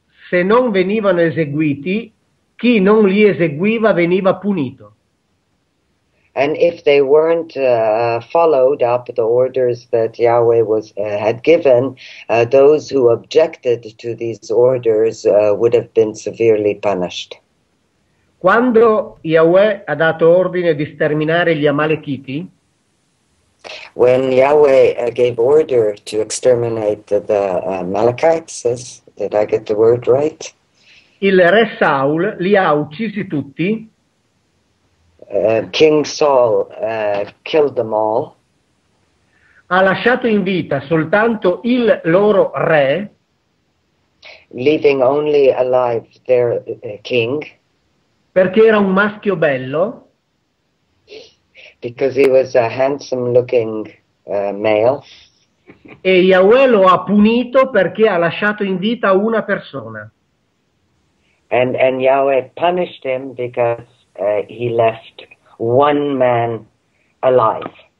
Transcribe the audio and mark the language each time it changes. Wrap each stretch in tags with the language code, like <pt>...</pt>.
<it>se non venivano eseguiti, chi non li eseguiva veniva punito.</it> <en>And if they weren't followed up the orders that Yahweh was had given, those who objected to these orders would have been severely punished.</en> <it>Quando Yahweh ha dato ordine di sterminare gli Amalekiti,</it> <en>when Yahweh gave order to exterminate the Amalekites, did I get the word right?</en> <it>Il re Saul li ha uccisi tutti.</it> <en>King Saul killed them all.</en> <it>Ha lasciato in vita soltanto il loro re.</it> <en>Leaving only alive their king.</en> <it>Perché era un maschio bello.</it> <en>Because he was a handsome looking male.</en> <it>E Yahweh lo ha punito perché ha lasciato in vita una persona.</it> <en>And Yahweh punished him because he left one man alive.</en>